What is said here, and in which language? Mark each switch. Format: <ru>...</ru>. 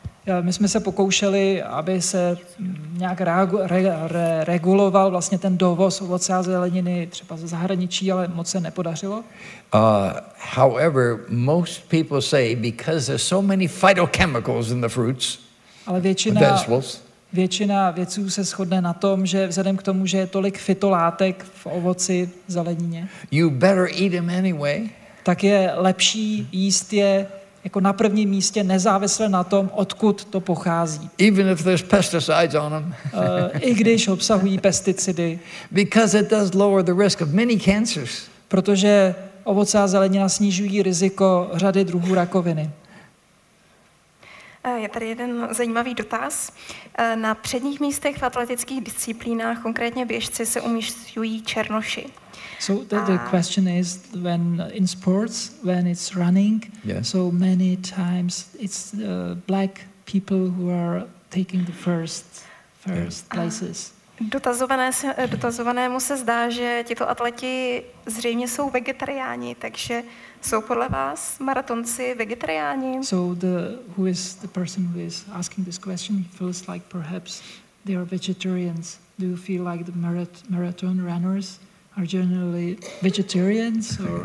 <cs>Yeah, my jsme se pokoušeli, aby se nějak reguloval vlastně ten dovoz ovoce a zeleniny třeba ze zahraničí, ale moc se nepodařilo.</cs> <en>However, most people say because there's so many phytochemicals in the fruits.</en> <cs>Ale většina vědců se shodne na tom, že vzhledem k tomu, že je tolik fytolátek v ovoci, zelenině.</cs> <en>You better eat them anyway.</en> <cs>Tak je lepší jíst je jako na prvním místě nezávisle na tom, odkud to pochází.</cs> <en>Even if there's pesticides on them.</en> <cs>I když obsahují pesticidy.</cs> <en>Because it does lower the risk of many cancers.</en> <cs>Protože ovoce a zelenina snižují riziko řady druhů rakoviny. Je tady jeden zajímavý dotaz. Na předních místech v atletických disciplínách, konkrétně běžci, se umisťují černoši.</cs> <en>So the question is when in sports, when it's running, yes. So many times it's black people who are taking the first places.</en> <cs>Dotazovanému se zdá, že tito atleti zřejmě jsou vegetariáni, takže jsou podle vás maratonci vegetariáni?</cs> <en>So who is the person who is asking this question feels like perhaps they are vegetarians. Do you feel like the marathon runners are generally vegetarians</en>